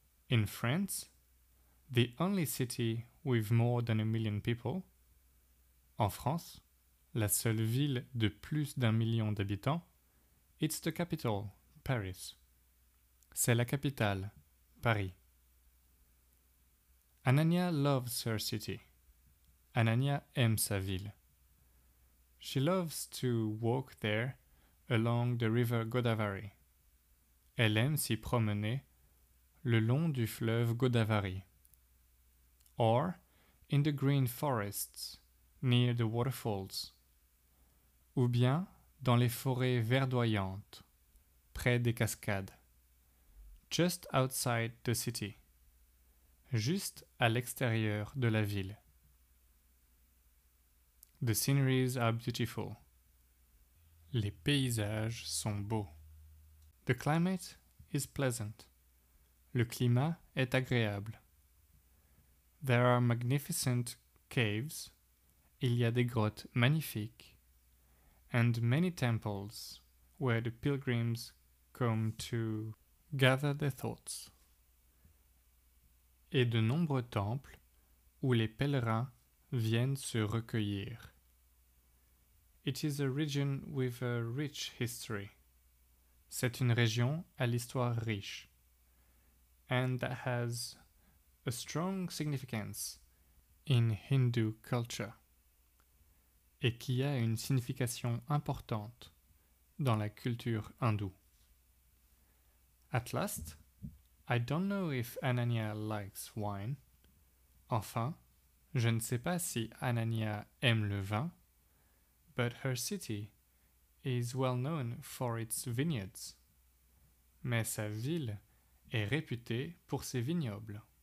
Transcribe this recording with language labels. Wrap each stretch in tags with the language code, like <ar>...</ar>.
<en>In France, the only city with more than a million people.</en> <fr>En France, la seule ville de plus d'un million d'habitants.</fr> <en>It's the capital, Paris.</en> <fr>C'est la capitale, Paris.</fr> <en>Ananya loves her city.</en> <fr>Ananya aime sa ville.</fr> <en>She loves to walk there along the river Godavari.</en> <fr>Elle aime s'y promener le long du fleuve Godavari.</fr> <en>Or in the green forests near the waterfalls.</en> <fr>Ou bien dans les forêts verdoyantes, près des cascades.</fr> <en>Just outside the city.</en> <fr>Juste à l'extérieur de la ville.</fr> <en>The sceneries are beautiful.</en> <fr>Les paysages sont beaux.</fr> <en>The climate is pleasant.</en> <fr>Le climat est agréable.</fr> <en>There are magnificent caves.</en> <fr>Il y a des grottes magnifiques.</fr> <en>And many temples where the pilgrims come to gather their thoughts.</en> <fr>Et de nombreux temples où les pèlerins viennent se recueillir.</fr> <en>It is a region with a rich history.</en> <fr>C'est une région à l'histoire riche.</fr> <en>And that has a strong significance in Hindu culture.</en> <fr>Et qui a une signification importante dans la culture hindoue.</fr> <en>At last, I don't know if Ananya likes wine.</en> <fr>Enfin, je ne sais pas si Ananya aime le vin.</fr> <en>But her city is well known for its vineyards.</en> <fr>Mais sa ville est réputée pour ses vignobles.</fr>